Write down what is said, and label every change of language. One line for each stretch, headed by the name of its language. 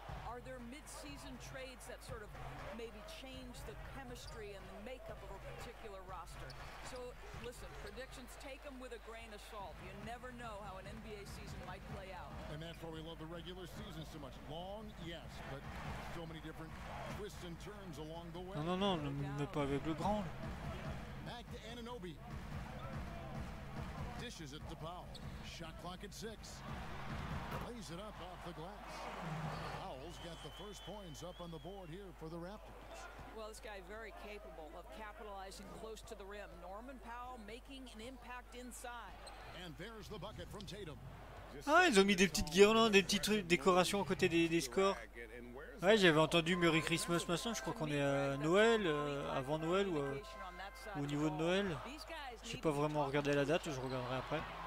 English: Are there mid-season trades that sort of maybe change the chemistry and the makeup of a particular roster? So, listen, predictions, take them with a grain of salt. You never know how an NBA season might play out. And that's why we love the regular season so much. Long, yes, but so many different twists and turns along the way.
French: Non, non, non, ne me mets pas avec le grand.
English: Back to Ananobi. Dishes it to Powell. Shot clock at 6. Plays it up off the glass. Powell's got the first points up on the board here for the Raptors. Well, this guy very capable of capitalizing close to the rim. Norman Powell making an impact inside. And there's the bucket from Tatum.
French: Ah, ils ont mis des petites guirlandes, des petites décorations à côté des scores. Ouais, j'avais entendu
English: Merry Christmas
French: maintenant. Je crois qu'on est à Noël, avant Noël ou au niveau de Noël. J'ai pas vraiment regardé la date, je regarderai après.